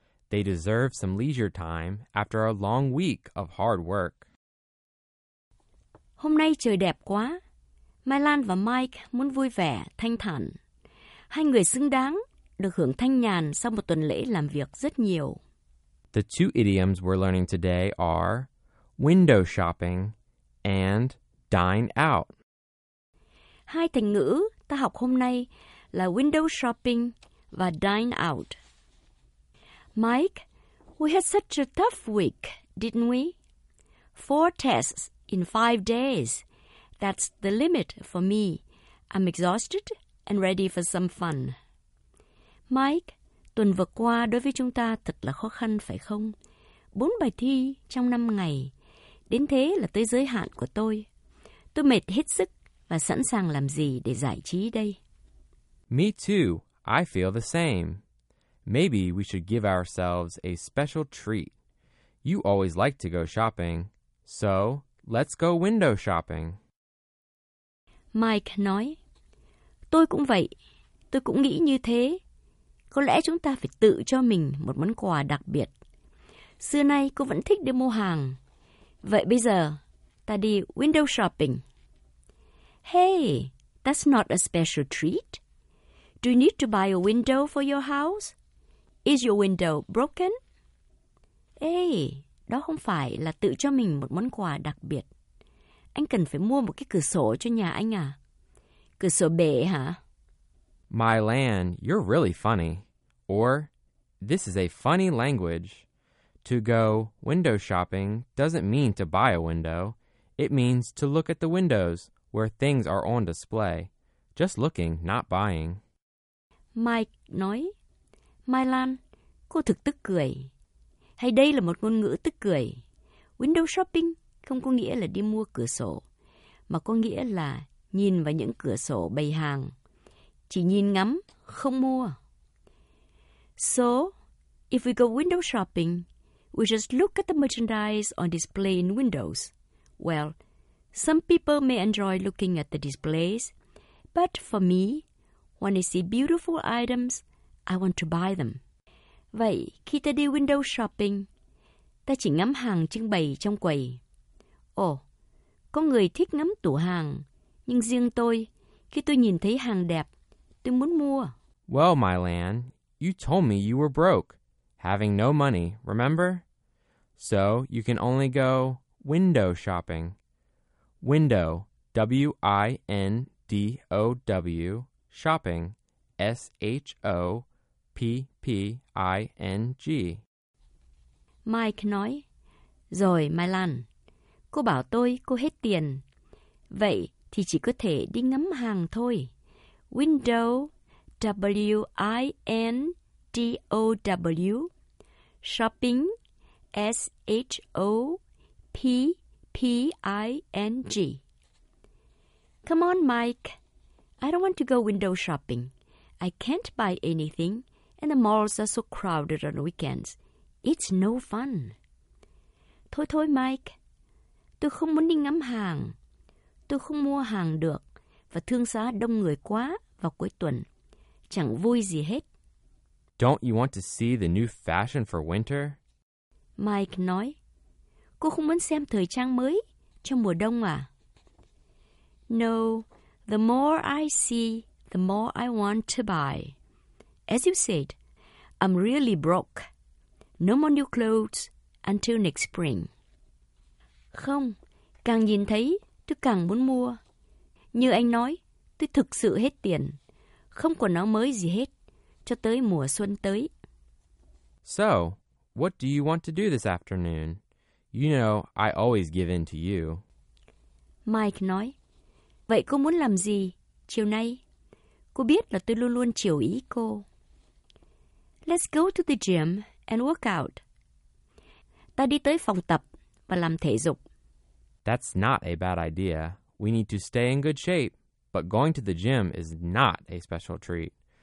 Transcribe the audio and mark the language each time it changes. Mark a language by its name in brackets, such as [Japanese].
[English] They deserve some leisure time after a long week of hard work. [Vietnamese] Hôm nay trời đẹp quá. Mylan và Mike muốn vui vẻ, thanh thản. Hai người xứng đáng được hưởng thanh nhàn sau một tuần lễ làm việc rất nhiều. [English] The two idioms we're learning today are window shopping and dine out. [Vietnamese] Hai thành ngữ ta học hôm nay là window shopping và dine out. [English] Mike, we had such a tough week, didn't we? 4 tests in 5 days. That's the limit for me. I'm exhausted and ready for some fun. [Vietnamese] Mike, tuần vừa qua đối với chúng ta thật là khó khăn phải không? 4 bài thi trong 5 ngày. Đến thế là tới giới hạn của tôi. Tôi mệt hết sức và sẵn sàng làm gì để giải trí đây? [English] Me too. I feel the same. Maybe we should give ourselves a special treat. You always like to go shopping. So, let's go window shopping. [Vietnamese] Mike nói, tôi cũng vậy, tôi cũng nghĩ như thế. Có lẽ chúng ta phải tự cho mình một món quà đặc biệt. Xưa nay cô vẫn thích đi mua hàng. Vậy bây giờ, ta đi window shopping. [English] Hey, that's not a special treat. Do you need to buy a window for your house? Is your window broken? [Vietnamese] Hey, đó không phải là tự cho mình một món quà đặc biệt. Anh cần phải mua một cái cửa sổ cho nhà anh à? Cửa sổ bể hả? [English] My land, you're really funny. Or, this is a funny language. To go window shopping doesn't mean to buy a window. It means to look at the windows where things are on display. Just looking, not buying. [Vietnamese] Mike nói, Mai Lan, cô thực tức cười. Hay đây là một ngôn ngữ tức cười. Window shopping không có nghĩa là đi mua cửa sổ, mà có nghĩa là nhìn vào những cửa sổ bày hàng. Chỉ nhìn ngắm, không mua. [English] So, if we go window shopping, we just look at the merchandise on display in windows. Well, some people may enjoy looking at the displays, but for me, when I see beautiful items, I want to buy them. [Vietnamese] Vậy, khi ta đi window shopping, ta chỉ ngắm hàng trưng bày trong quầy. Ồ, có người thích ngắm tủ hàng, nhưng riêng tôi, khi tôi nhìn thấy hàng đẹp, tôi muốn mua. [English] Well, my land, you told me you were broke, having no money, remember? So, you can only go window shopping. Window, W-I-N-D-O-W, shopping, S-H-O-P-P-I-N-G. [Vietnamese] Mike nói, rồi Mai Lan, cô bảo tôi cô hết tiền. Vậy thì chỉ có thể đi ngắm hàng thôi. [English] Window, W-I-N-D-O-W, shopping, S-H-O-P-P-I-N-G. Come on, Mike. I don't want to go window shopping. I can't buy anything, and the malls are so crowded on weekends. It's no fun. [Vietnamese] Thôi thôi, Mike. Tôi không muốn đi ngắm hàng. Tôi không mua hàng được, và thương xá đông người quá vào cuối tuần. Chẳng vui gì hết. [English] Don't you want to see the new fashion for winter? [Vietnamese] Mike nói, cô không muốn xem thời trang mới cho mùa đông à? [English] No, the more I see, the more I want to buy. As you said, I'm really broke. No more new clothes until next spring. [Vietnamese] Không, càng nhìn thấy, tôi càng muốn mua. Như anh nói, tôi thực sự hết tiền. Không quần áo mới gì hết, cho tới mùa xuân tới. [English] So, what do you want to do this afternoon? You know, I always give in to you. [Vietnamese] Mike nói, vậy cô muốn làm gì chiều nay? Cô biết là tôi luôn luôn chiều ý cô. [English] Let's go to the gym and work out. [Vietnamese] Ta đi tới phòng tập và làm thể dục. [English] That's not a bad idea. We need to stay in good shape. But going to the gym is not a special treat.